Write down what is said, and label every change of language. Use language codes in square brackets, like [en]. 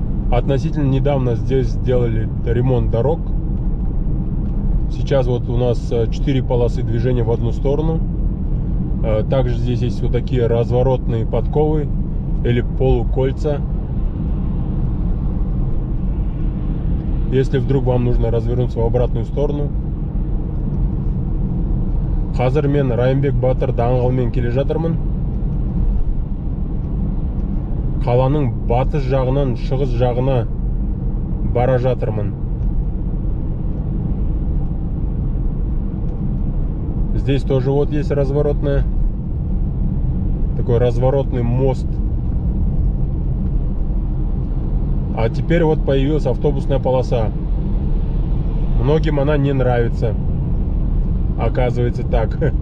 [ru] Относительно недавно здесь сделали ремонт дорог. Сейчас вот у нас 4 полосы движения в одну сторону. Также здесь есть вот такие разворотные подковы или полукольца. Если вдруг вам нужно развернуться в обратную сторону. [kk] Қазір мен Райымбек-Батыр даңғылымен келе жатырмын. Қаланың батыс жағынан шығыс жағына бара жатырмын. [ru] Здесь тоже вот есть разворотная. Такой разворотный мост. А теперь вот появилась автобусная полоса. Многим она не нравится. Оказывается так.